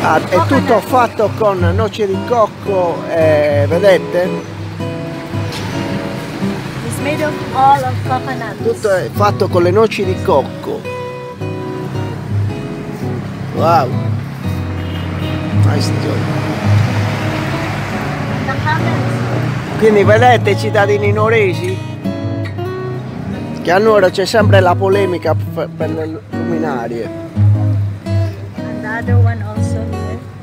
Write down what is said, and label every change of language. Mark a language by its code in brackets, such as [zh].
[it] È tutto fatto con noce di cocco, vedete? [en] It's made of all of coconuts. [it] Tutto è fatto con le noci di cocco. [en] Wow. Nice job. [it] Quindi vedete, cittadini noresi, che a Nuoro c'è sempre la polemica per le luminarie. [en] And the other one also here.